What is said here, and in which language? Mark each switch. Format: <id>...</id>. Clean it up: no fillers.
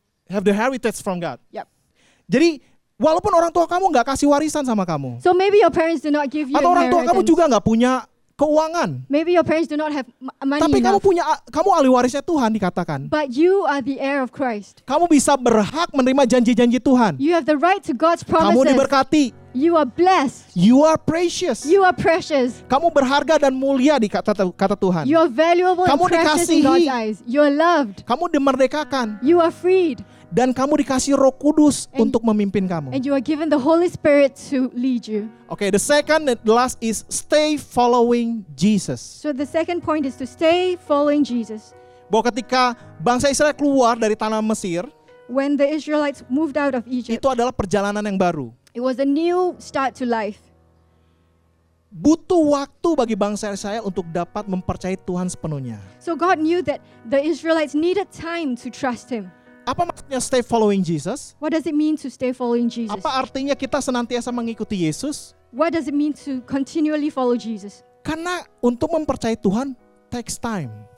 <en>Have the heritage from God. Yep.</en> <id>Jadi walaupun orang tua kamu enggak kasih warisan sama kamu.</id> <en>So maybe your parents do not give you.</en> <id>Atau orang tua kamu juga enggak punya keuangan.</id> <en>Maybe your parents do not have money.</en> <id>Tapi kamu punya, kamu ahli warisnya Tuhan dikatakan.</id> <en>But you are the heir of Christ.</en> <id>Kamu bisa berhak menerima janji-janji Tuhan.</id> <en>You have the right to God's promises.</en> <id>Kamu diberkati.</id> <en>You are blessed. You are precious. You are precious.</en> <id>Kamu berharga dan mulia di kata Tuhan.</id> <en>You are valuable</en> <id>kamu</id> <en>and precious</en> <id>dikasihi.</id> <en>In God's eyes. You are loved.</en> <id>Kamu dimerdekakan.</id> <en>You are freed.</en> <id>Dan kamu dikasih Roh Kudus and, untuk memimpin kamu.</id> <en>And you are given the Holy Spirit to lead you. Okay, the second and last is stay following Jesus. So the second point is to stay following Jesus.</en> <id>Bahwa ketika bangsa Israel keluar dari tanah Mesir,</id> <en>when the Israelites moved out of Egypt,</en> <id>itu adalah perjalanan yang baru.</id> <en>It was a new start to life.</en> <id>Butuh waktu bagi bangsa Israel untuk dapat mempercayai Tuhan sepenuhnya.</id> <en>So God knew that the Israelites needed time to trust Him.</en> <id>Apa maksudnya</id> <en>stay following Jesus? What does it mean to stay following Jesus?</en> <id>Apa artinya kita senantiasa mengikuti Yesus?</id> <en>What does it mean to continually follow Jesus?</en> <id>Karena untuk mempercayai Tuhan</id> <en>takes time.</en>